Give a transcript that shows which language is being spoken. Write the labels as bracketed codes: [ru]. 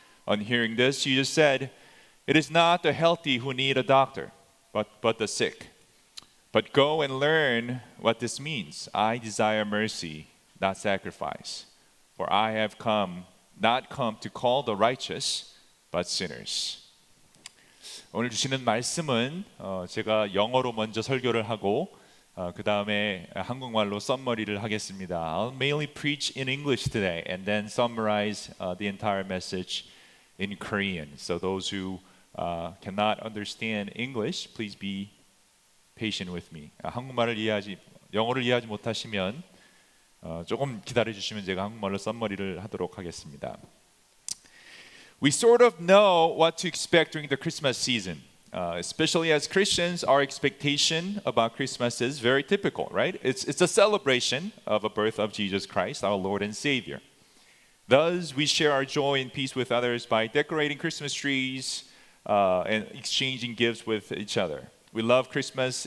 [en] On hearing this, Jesus said, "It is not the healthy who need a doctor, but the sick. But go and learn what this means. I desire mercy, not sacrifice. For I have come, not come to call the righteous, but sinners." [ko] 오늘 주시는 말씀은 제가 영어로 먼저 설교를 하고 그 다음에 한국말로 썸머리를 하겠습니다. [en] I'll mainly preach in English today and then summarize the entire message in Korean. So those who cannot understand English, please be patient with me. [ko] 한국말을 이해하지, 영어를 이해하지 못하시면 조금 기다려주시면 제가 한국말로 썸머리를 하도록 하겠습니다. [en] We sort of know what to expect during the Christmas season. Especially as Christians, our expectation about Christmas is very typical, right? It's a celebration of the birth of Jesus Christ, our Lord and Savior. Thus, we share our joy and peace with others by decorating Christmas trees and exchanging gifts with each other. We love Christmas.